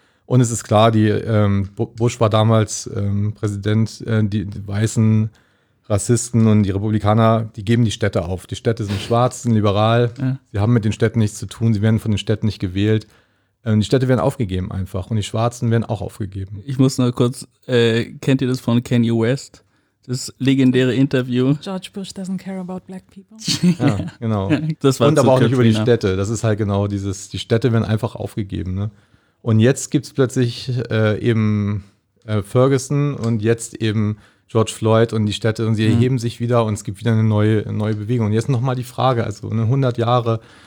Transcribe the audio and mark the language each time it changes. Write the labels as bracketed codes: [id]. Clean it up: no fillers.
[de] Und es ist klar, die Bush war damals Präsident, die weißen Rassisten und die Republikaner, die geben die Städte auf. Die Städte sind schwarz, sind liberal, sie haben mit den Städten nichts zu tun, sie werden von den Städten nicht gewählt. Die Städte werden aufgegeben einfach und die Schwarzen werden auch aufgegeben. Ich muss nur kurz, kennt ihr das von Kanye West? Das legendäre Interview. [en] George Bush doesn't care about black people. [de] Ja, genau. Das war und aber auch nicht über die Städte. Das ist halt genau dieses, die Städte werden einfach aufgegeben. Ne? Und jetzt gibt es plötzlich Ferguson und jetzt eben George Floyd und die Städte und sie erheben sich wieder und es gibt wieder eine neue Bewegung. Und jetzt nochmal die Frage, also 100 Jahre